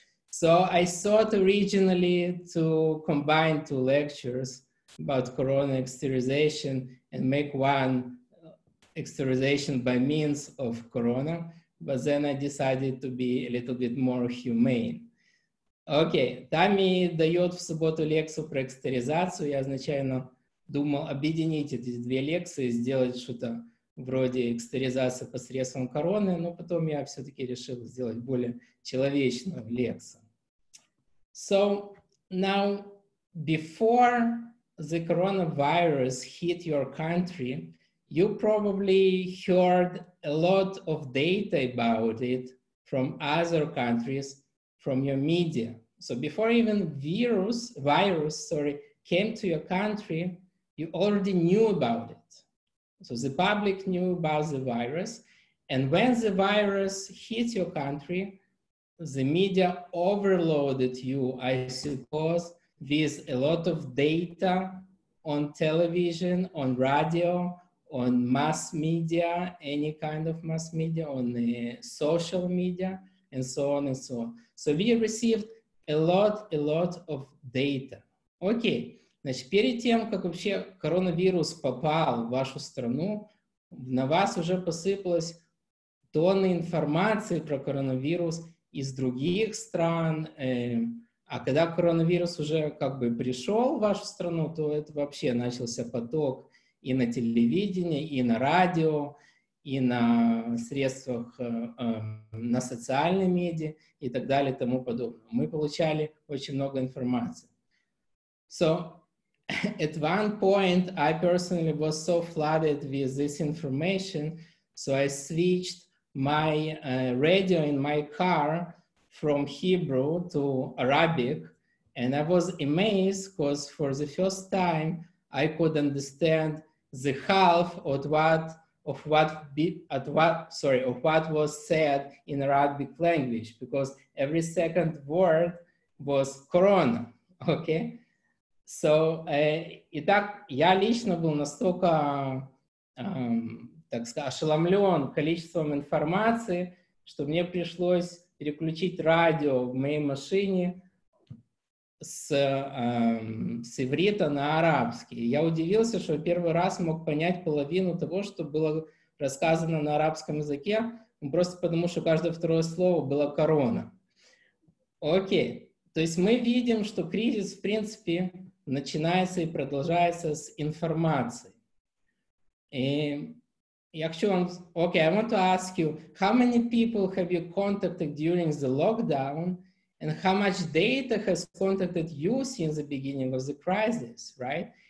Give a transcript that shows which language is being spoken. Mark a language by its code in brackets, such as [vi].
[en] So I thought originally to combine two lectures about corona exteriorization and make one exteriorization by means of corona, but then I decided to be a little bit more humane. [ru] Окей, Тами дает в субботу лекцию про экстеризацию. Я изначально думал объединить эти две лекции, сделать что-то вроде экстеризации посредством короны, но потом я все-таки решил сделать более человечную лекцию. [en] So now, before the coronavirus hit your country, you probably heard a lot of data about it from other countries, from your media. So before even virus came to your country, you already knew about it. So the public knew about the virus. And when the virus hit your country, the media overloaded you, I suppose, with a lot of data on television, on radio, on mass media, any kind of mass media, on the social media, and so on and so on. So we received a lot of data. [ru] Окей, значит, перед тем, как вообще коронавирус попал в вашу страну, на вас уже посыпалось тонны информации про коронавирус из других стран, а когда коронавирус уже как бы пришел в вашу страну, то это вообще начался поток и на телевидении, и на радио, и на средствах, на социальной медиа и так далее, и тому подобное. Мы получали очень много информации. [en] So, at one point, I personally was so flooded with this information, so I switched my radio in my car from Hebrew to Arabic, and I was amazed, because for the first time, I could understand the half of what was said in Arabic language, because every second word was corona, okay? [ru] So, итак, я лично был настолько, так сказать, ошеломлен количеством информации, что мне пришлось переключить радио в моей машине с иврита на арабский. Я удивился, что первый раз мог понять половину того, что было рассказано на арабском языке, просто потому, что каждое второе слово было корона. Окей. То есть мы видим, что кризис, в принципе, начинается и продолжается с информации. И я хочу вам... [en] Okay, I want to ask you, how many people have you contacted during the lockdown and how much data has contacted you since the beginning of the crisis, right?